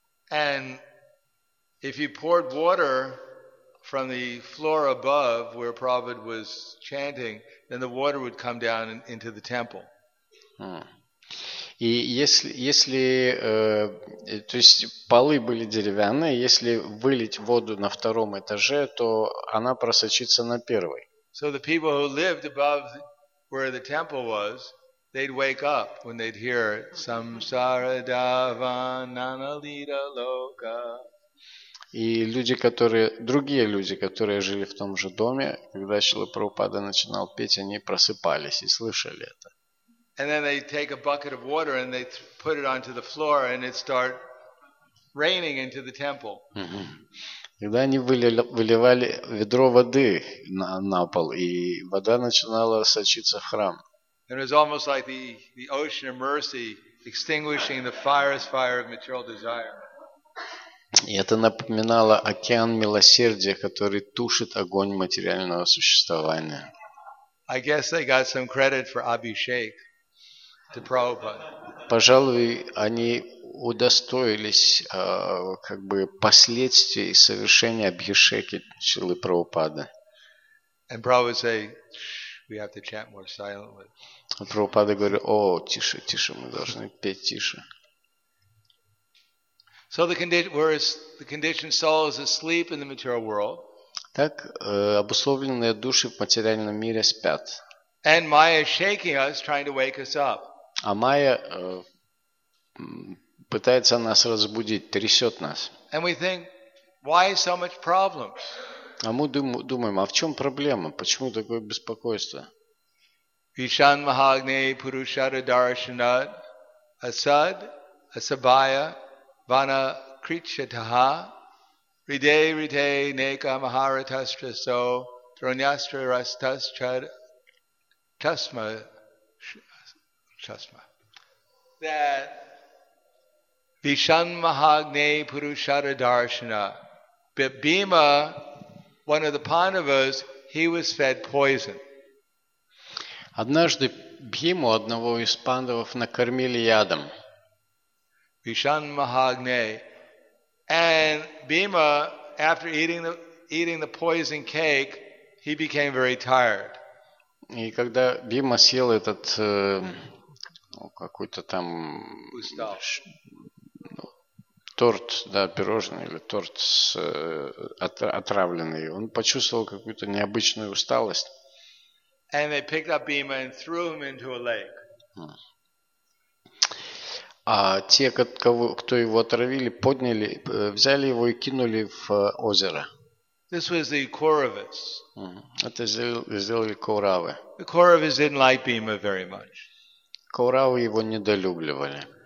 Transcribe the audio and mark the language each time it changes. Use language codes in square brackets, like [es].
[en] And if you poured water from the floor above where Prabhupada was chanting, then the water would come down into the temple. [ru] И если то есть полы были деревянные, если вылить воду на втором этаже, то она просочится на первый. [en] So the people who lived above where the temple was, they'd wake up when they'd hear Samsara Dhavanana Lita Loka. [ru] И люди, которые, другие люди, которые жили в том же доме, когда Шрила Прабхупада начинал петь, они просыпались и слышали это. [en] And then they'd take a bucket of water and they'd put it onto the floor and it'd start raining into the temple. [ru] Когда они выливали ведро воды на пол, и вода начинала сочиться в храм. [en] It was almost like the ocean of mercy extinguishing the forest fire of material desire. [ru] И это напоминало океан милосердия, который тушит огонь материального существования. [en] I guess they got some credit for Abhishek to Prabhupada. [ru] Пожалуй, они удостоились как бы последствий совершения Абхишеки Шрилы Прабхупады. [en] And Prabhupada say, we have to chant more silently. [ru] Прабхупада говорит, о, тише, тише, мы должны петь тише. [en] So the condition, whereas the conditioned soul is asleep in the material world. [ru] Так обусловленные души в материальном мире спят. [en] And Maya is shaking us, trying to wake us up. [ru] А Майя пытается нас разбудить, трясет нас. [en] And we think, why so much problems? [ru] А мы думаем, а в чем проблема? Почему такое беспокойство? Ishan Mahagne Purushara Darshanad Asad Asabaya Vana Kritchataha Ride Rite Neka Maharatastra So Dronyastra Rastas Chad Chasma Chasma. [en] That Vishan Mahagne Purushara Darshana Bhima, one of the Pandavas, he was fed poison. [ru] Однажды Бхиму, одного из пандавов, накормили ядом. Vishan Mahagne. [en] And Bhima, after eating the poison cake, he became very tired. [ru] И когда Бхима съел этот какой-то там торт, да, пирожный или торт с отравленный, он почувствовал какую-то необычную усталость. [en] And they picked up Bhima and threw him into a lake. [ru] А те, кто его отравили, подняли, взяли его и кинули в озеро. [en] This was the Kauravas. [ru] Это сделали Кауравы. [en] The Kauravas didn't like Bhima very much. [ru] Кауравы его недолюбливали.